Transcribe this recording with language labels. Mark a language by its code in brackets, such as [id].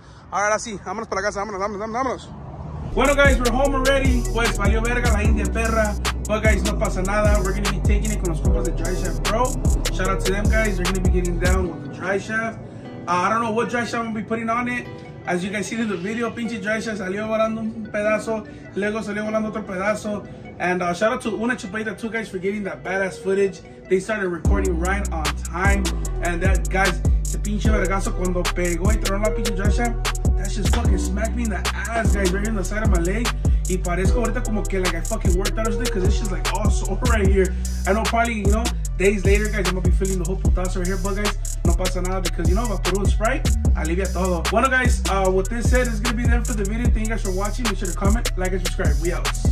[es] Ahora sí, vámonos para casa, vámonos, vámonos, vámonos. [en] Bueno, guys, we're home already. [es] Pues, valió verga la India perra. [en] But, guys, [es] no pasa nada. [en] We're going to be taking it [es] con los compas de Driveshaft, [en] bro. Shout out to them, guys. They're going to be getting down with the Driveshaft. I don't know what Driveshaft I'm going to be putting on it. As you can see in the video, [es] pinche Driveshaft salió volando un pedazo. Luego salió volando otro pedazo. [en] And shout out to Una Chupeta, too, guys, for getting that badass footage. They started recording right on time. And that, guys, [es] ese pinche vergazo cuando pegó y tronó la pinche Driveshaft. [en] That shit fucking smacked me in the ass, guys, right here on the side of my leg. [es] Y parezco ahorita como que, [en] like, I fucking worked out or something, because this shit's, like, all sore right here. I know probably, you know, days later, guys, I'm gonna be feeling the whole putazo right here, but, guys, [es] no pasa nada, [en] because, you know, Vaporú and Sprite, alivia todo. Bueno, guys, with this said, it's gonna be there for the video. Thank you guys for watching. Make sure to comment, like, and subscribe. We out.